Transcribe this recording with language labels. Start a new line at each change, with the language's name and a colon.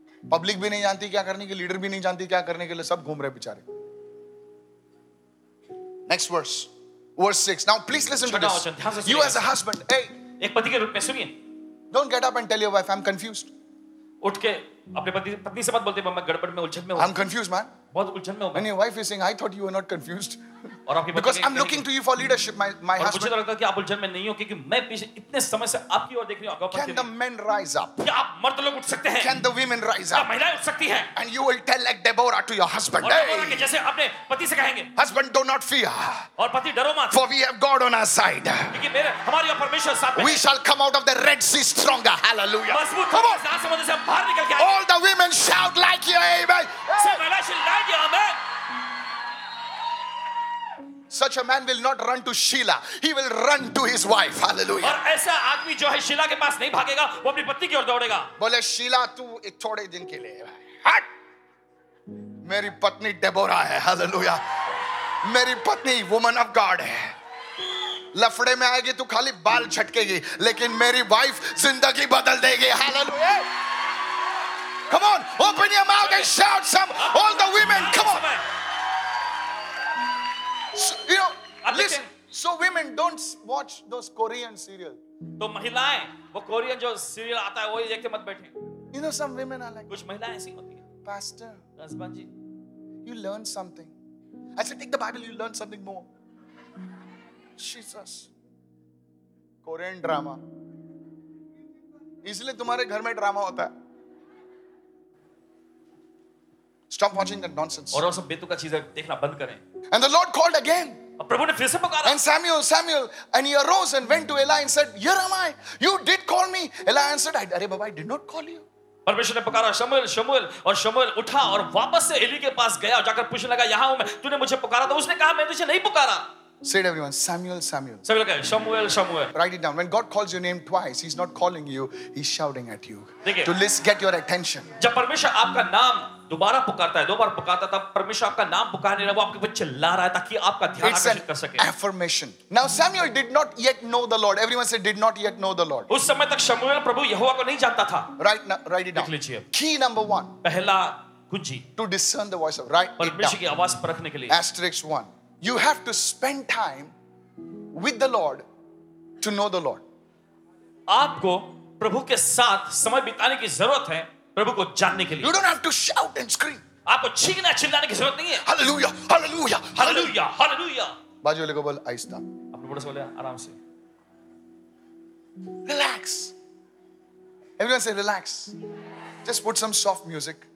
Hindi: Public भी नहीं जानती क्या करने के लीडर भी नहीं जानती क्या करने के लिए सब घूम रहे बेचारे.
English: Next verse verse 6. Now please listen to this. You as a husband
Hindi: एक पति के रूप में सुनिए.
English: Don't get up and tell your wife I am confused.
Hindi: उठ के अपने पति पत्नी से बात बोलते हैं मैं गड़बड़ में उलझन में हूं.
English: I'm confused, man.
Hindi: बहुत उलझन में हूं मैं.
English: And your wife is saying, I thought you were not confused.
Hindi: और आपकी
English: पत्नी because I'm looking to you for leadership, my husband.
Hindi: मुझे लगता है कि आप उलझन में नहीं हो क्योंकि मैं पीछे इतने समय से आपकी ओर देख रही हूं.
English: Can the men rise up?
Hindi: क्या आप मर्द लोग उठ सकते हैं?
English: Can the women rise up?
Hindi: क्या महिलाएं उठ सकती हैं?
English: And you will tell like Deborah to your husband.
Hindi: और बोलेंगे जैसे अपने पति से कहेंगे.
English: Husband, do not fear.
Hindi: और पति डरो मत.
English: For we have God on our side.
Hindi: क्योंकि मेरे हमारी और परमेश्वर साथ में.
English: We shall come out of the Red Sea stronger. Hallelujah.
Hindi: मजबूत हो जाओ समुद्र से बाहर निकल के.
English: All the women shout like you, amen.
Hindi: सब महिलाएं शिल्लाएंगी, amen.
English: Such such a man will not run to Sheila. He will run to his wife. Hallelujah.
Hindi: और ऐसा आदमी जो है शीला के पास नहीं भागेगा, वो अपनी पत्नी की ओर दौड़ेगा. बोले शीला तू एक थोड़े दिन के लिए हट. मेरी पत्नी डेबोरा है. हालेलुया. मेरी पत्नी
English: woman of God
Hindi: है. लफड़े में आएगी तू खाली बाल छटकेगी, लेकिन मेरी वाइफ जिंदगी बदल देगी. Hallelujah.
English: Come on, open your mouth and shout some. All the women, come on. So, you know, listen. So women, don't watch those Korean serials.
Hindi: तो महिलाएं वो कोरियन जो सीरियल आता है वो ही देखते मत बैठे.
English: You know some women are like.
Hindi: कुछ महिलाएं ऐसी होती हैं.
English: Pastor. Husband जी. You learn something. I said, take the Bible. You learn something more. Jesus. Korean drama.
Hindi: इसलिए तुम्हारे घर में drama होता है.
English: Stop watching that nonsense.
Hindi: और वो सब बेतुक का चीज़ देखना बंद करें.
English: And the Lord called again.
Hindi: अब प्रभु ने फिर से पुकारा.
English: And Samuel, Samuel, and he arose and went to Eli and said, Here am I. You did call me. Eli answered,
Hindi: अरे बाबा,
English: I did not call you.
Hindi: परमेश्वर ने पुकारा शमूएल, शमूएल, और शमूएल उठा और वापस से एली के पास गया और जाकर पूछने लगा, यहाँ हूँ मैं. तूने मुझे पुकारा था? उसने कहा, मैं तुझे नहीं पुकारा.
English: Said everyone, Samuel, Samuel. Samuel, Samuel, Samuel. Write it down. When God calls your name twice, He's not calling you; He's shouting at you. To list, get your attention.
Hindi: जब परमेश्वर आपका नाम दोबारा पुकारता है, दो बार पुकारता था, परमेश्वर आपका नाम पुकारने लगा, वो आपके पास चिल्ला रहा है ताकि आपका ध्यान आकर्षित कर सके.
English: Affirmation. Now Samuel did not yet know the Lord. Everyone said, did not yet know the Lord.
Hindi: उस समय तक शमूएल प्रभु यहोवा को नहीं जानता था.
English: Write, write it down.
Hindi: लिख लीजिए.
English: Key number one.
Hindi: पहला कुंजी.
English: To discern the voice of. Write it down.
Hindi: परमेश्वर की आवाज परखने के लिए.
English: Asterisk one. You have to spend time with the Lord to know the Lord.
Hindi: आपको प्रभु के साथ समय बिताने की जरूरत है प्रभु को जानने के लिए.
English: You don't have to shout and scream.
Hindi: आपको चीखना चिल्लाने की जरूरत नहीं है.
English: Hallelujah, Hallelujah, Hallelujah, Hallelujah.
Hindi: बाजू वाले को बोल आहिस्ता. अपने बड़े से बोले आराम से.
English: Relax. Everyone say relax. Just put some soft music.